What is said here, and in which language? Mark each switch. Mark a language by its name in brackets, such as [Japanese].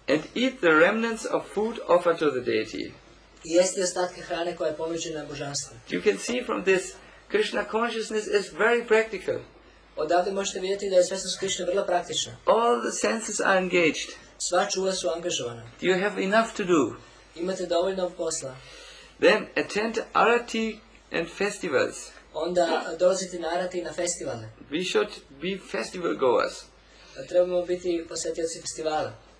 [English] And eat the remnants of food offered to the deity. [Serbian] I jesti ostatke hrane koja je ponuđena božanstvu. [English] You can see from this, Krishna consciousness is very practical. [Serbian] Odavde možete vidjeti da je svjesnost Krishna vrlo praktična. [English] All the senses are engaged. [Serbian] Sva čula su angažovana. [English] You have enough to do. [Serbian] Imate dovoljno posla. [English] Then attend arati and festivals. [Serbian] Onda dolazite na arati i na festivale. [English] We should be festival goers. [Serbian] Trebamo biti posjetioci festivala.